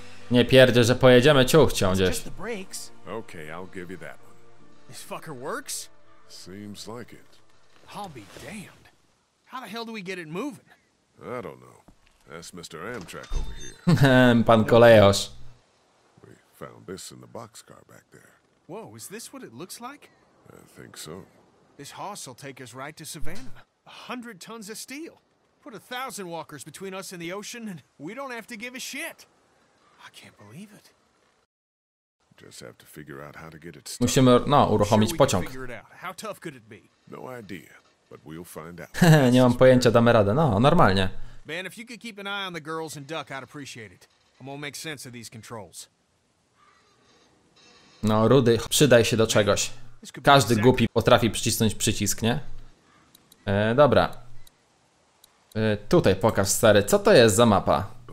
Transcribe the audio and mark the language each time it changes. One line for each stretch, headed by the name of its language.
Polish: Nie pierdzie, że pojedziemy ciuchcią gdzieś.
English: Okay, I'll give you that one. This fucker works? Seems like it. I'll be damned. How the hell do we get it moving? I don't know. Ask Mr. Amtrak over here.
Polish: Pan Kolejosz.
English: We found this in the boxcar back there. Whoa, is this what it looks like? I think so. This horse will take us right to Savannah. 100 tons of steel. Put 1,000 walkers between us and the ocean, and we don't have to give a shit. I can't believe it. Just have to figure out how to get it started.
Polish: Musimy, no, uruchomić pociąg.
English: How tough could it be? No idea, but we'll find out.
Polish: Nie mam pojęcia, damy radę. No, normalnie.
English: Man, if you could keep an eye on the girls and Duck, I'd appreciate it. I'm gonna make sense of these controls.
Polish: No, Rudy, przydaj się do czegoś. Każdy głupi potrafi przycisnąć przycisk, nie? Dobra. Tutaj pokaż, stary, co to jest za mapa?